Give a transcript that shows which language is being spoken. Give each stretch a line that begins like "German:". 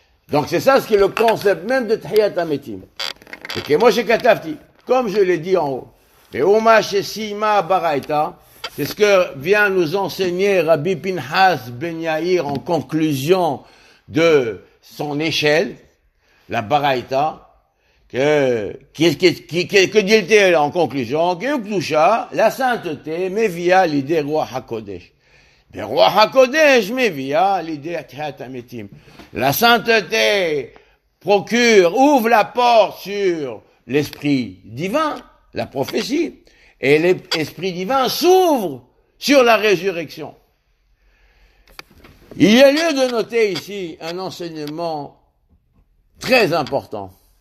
French: Donc c'est ça ce qui est le concept même de Tehillat HaMetim. Ok, moi j'ai katafti, comme je l'ai dit en haut, et Omash Esima Baraita, c'est ce que vient nous enseigner Rabbi Pinhas Ben Yair en conclusion de son échelle, la baraita, que dit-il en conclusion, que la sainteté, mais via l'idée roi Hakodesh.
Hebrew: ורוח הקודש מביאה לידי תחיית המתים.
French: La sainteté procure, ouvre la porte sur l'esprit divin, la prophétie, et l'esprit divin s'ouvre sur la résurrection. Il y a lieu de noter ici un enseignement très important.